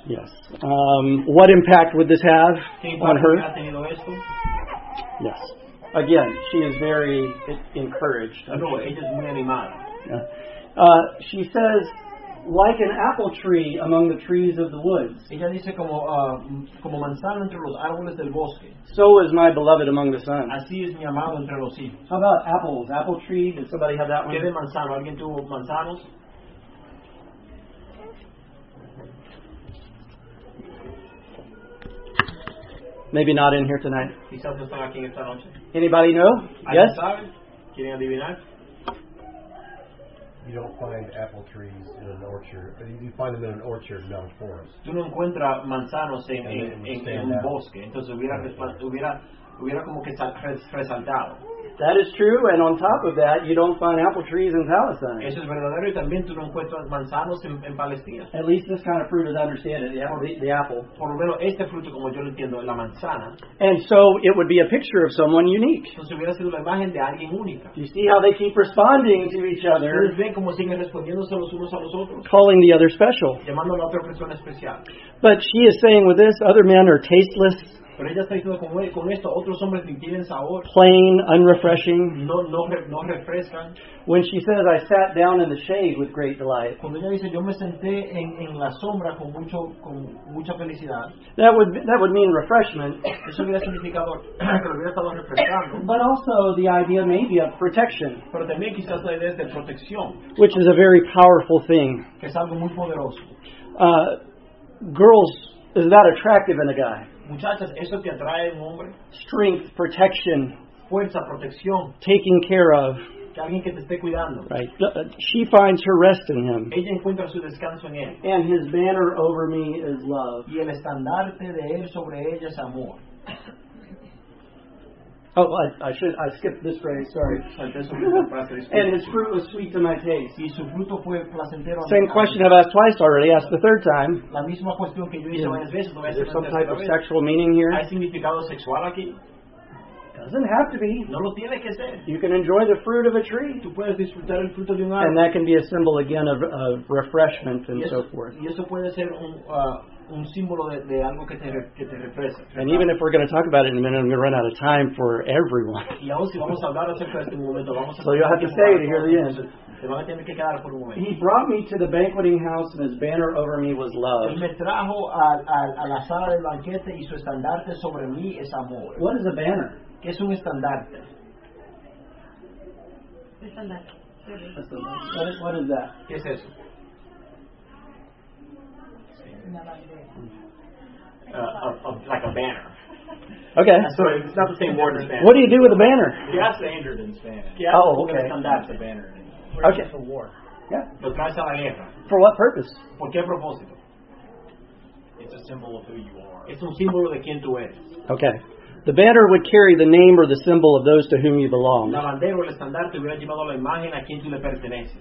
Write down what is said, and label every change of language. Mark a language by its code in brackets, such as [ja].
[en] Yes. What impact would this have on her? [es] ¿Ha tenido esto? [en] Yes. Again, she is very encouraged. [es] No, ella es muy animada. [en] Yeah. She says, like an apple tree among the trees of the woods. [es] Ella dice como, como manzana entre los árboles del bosque. [en] So is my beloved among the sons. [es] Así es mi amado entre los hijos. [en] How about apples? Apple tree? Did somebody have that one? [es] ¿Qué de manzano? ¿Alguien tuvo manzanos? [en] Maybe not in here tonight. [es] Quizás no están aquí esta noche. [en] Anybody know? Yes? [es] ¿Sabe? ¿Quieren adivinar? [en] You don't find apple trees in an orchard. You find them in an orchard, not a forest. [es] Tú no encuentras manzanos en un bosque. Entonces hubiera como que resaltado. [en] That is true, and on top of that, you don't find apple trees in Palestine. [es] Eso es verdadero, y también tú no encuentras manzanos en Palestina. [en] At least this kind of fruit is understood, the apple. [es] Por lo menos este fruto, como yo lo entiendo, la manzana. [en] And so it would be a picture of someone unique. [es] Entonces hubiera sido la imagen de alguien única. [en] You see how they keep responding to each other. [es] Ustedes ven cómo siguen respondiéndose los unos a los otros. [en] Calling the other special. [es] Llamando a la otra persona especial. [en] But she is saying with this, other men are tasteless. [es] Pero ella está diciendo con esto otros hombres ni tienen sabor. [en] Plain, unrefreshing. [es] No refrescan. [en] When she says, "I sat down in the shade with great delight." [es] Cuando ella dice, yo me senté en la sombra con mucha felicidad. [en] That would mean refreshment. [es] Eso hubiera significado que lo hubiera estado refrescando. [en] But also the idea maybe of protection. [es] Pero también quizás la idea es de protección. [en] Which is a very powerful thing. [es] Que es algo muy poderoso. [en] Girls, is that attractive in a guy? [es] Muchachas, ¿eso te atrae un hombre? [en] Strength, protection. [es] Fuerza, protección. [en] Taking care of. [es] Que alguien que te esté cuidando. [en] Right. She finds her rest in him. [es] Ella encuentra su descanso en él. [en] And his banner over me is love. [es] Y el estandarte de él sobre ella es amor. [en] Oh, I skipped this phrase, sorry. And his fruit was sweet to my taste. [es] Y su fruto fue placentero. [en] Same question I've asked twice already, asked the third time. [es] La misma cuestión que yo hice varias veces. [en] Is there some type of sexual meaning here? [es] ¿Hay significado sexual aquí? [en] Doesn't have to be. [es] No lo tiene que ser. [en] You can enjoy the fruit of a tree. [es] Tú puedes disfrutar el fruto de un árbol. [en] And that can be a symbol again of refreshment and [es] y eso, [en] so forth. [es] Y eso puede ser un símbolo de algo que te refresca. [en] And ¿verdad? Even if we're going to talk about it in a minute, I'm going to run out of time for everyone. [es] Y aún si vamos a hablar acerca de este momento, vamos a. [en] So you'll have to stay to hear the end. [es] Te van a tener que quedar por un momento. [en] He brought me to the banqueting house, and his banner over me was love. [es] Él me trajo a la sala del banquete, y su estandarte sobre mí es amor. [en] What is a banner? [es] ¿Qué es un estandarte? [en] Estandarte. What is that? [es] ¿Qué es eso? [en] Like a banner. Okay. So it's not the same word as banner. What do you do with a banner? You have to anchor it in Spanish. Oh, okay. That's a banner. Okay. For war. Yeah. [es] La guerra. [en] For what purpose? [es] ¿Por qué propósito? [en] It's a symbol of who you are. [es] Es un símbolo de quién tú eres. [en] Okay. The banner would carry the name or the symbol of those to whom you belong. [es] La bandera o el estandarte hubiera llevado la imagen a quien tú le perteneces.